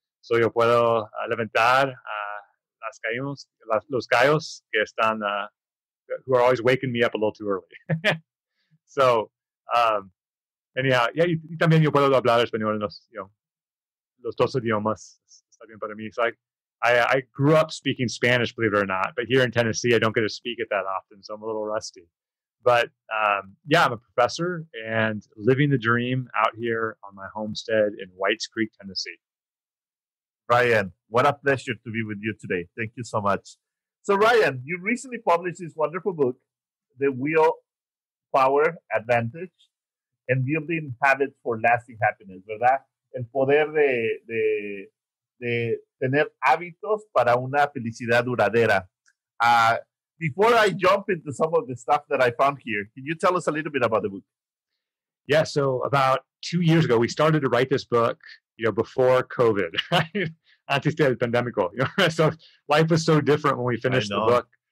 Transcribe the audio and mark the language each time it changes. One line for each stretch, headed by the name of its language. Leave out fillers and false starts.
English: So
Spanish: yo puedo levantar a los gallos que están,
English: who are always waking me up a little too early.
Spanish: So, y también yo puedo hablar español en los dos idiomas. Está bien para mí.
English: So I grew up speaking Spanish, believe it or not, but here in Tennessee, I don't get to speak it that often, so I'm a little rusty. But I'm a professor and living the dream out here on my homestead in Whites Creek, Tennessee. Ryan, what a pleasure to be with you today. Thank you so much. So Ryan, you recently published this wonderful book, The Willpower Advantage and Building Habits for Lasting Happiness,
Spanish: ¿verdad? El poder de tener hábitos para una felicidad duradera.
English: Before I jump into some of the stuff that I found here, can you tell us a little bit about the book? Yeah, so about 2 years ago, we started to write this book, before COVID, right?
Spanish: Antes del pandemico.
English: So life was so different when we finished the book.